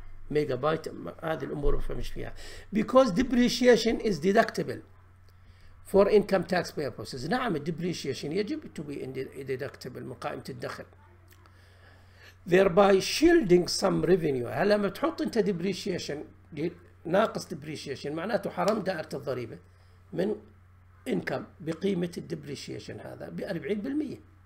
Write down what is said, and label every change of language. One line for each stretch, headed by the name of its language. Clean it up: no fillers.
Arabic: ميجا بايت، هذه الأمور مش فيها.
English: Because depreciation is deductible for income tax purposes.
Arabic: نعم depreciation يجب
English: to be deductible
Arabic: من قائمة الدخل.
English: Thereby shielding some revenue.
Arabic: هلا لما تحط انت depreciation ناقص depreciation معناته حرم دائرة الضريبة من income بقيمة depreciation هذا ب 40%.